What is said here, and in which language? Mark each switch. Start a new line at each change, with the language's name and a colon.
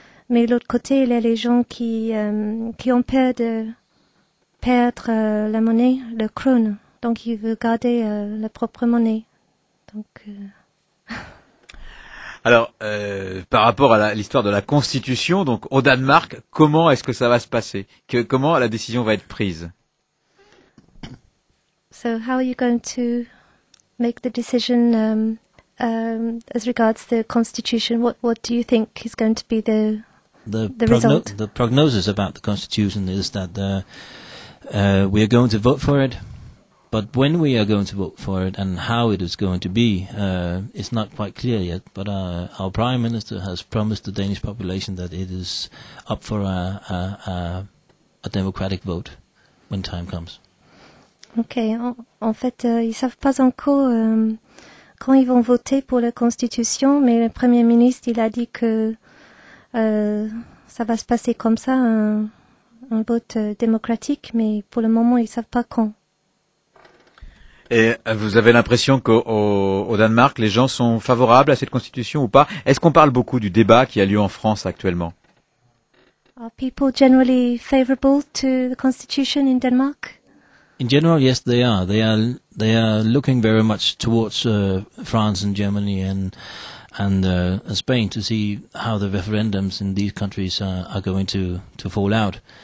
French: Mais de l'autre côté, il y a les gens qui ont peur de perdre la monnaie, le krone. Donc, ils veulent garder la propre monnaie. Donc... Alors, par rapport à l'histoire de la Constitution, donc au Danemark, comment est-ce que ça va se passer? Comment la décision va être prise?
English: So, how are you going to make the decision as regards the Constitution? What do you think is going to be the result? The prognosis about the Constitution is that we are going to vote for it. But when we are going to vote for it and how it is going to be, it's not quite clear yet. But our Prime Minister has promised the Danish population that it is up for a democratic vote when time comes. Okay.
French: En fait, ils ne savent pas encore quand ils vont voter pour la Constitution, mais le Premier ministre, il a dit que ça va se passer comme ça, un vote démocratique, mais pour le moment, ils ne savent pas quand. Et vous avez l'impression qu'au Danemark, les gens sont favorables à cette constitution ou pas? Est-ce qu'on parle beaucoup du débat qui a lieu en France actuellement?
English: Are people generally favorable to the constitution in Denmark? In general, yes, they are. They are looking very much towards France and Germany and Spain to see how the referendums in these countries are going to fall out.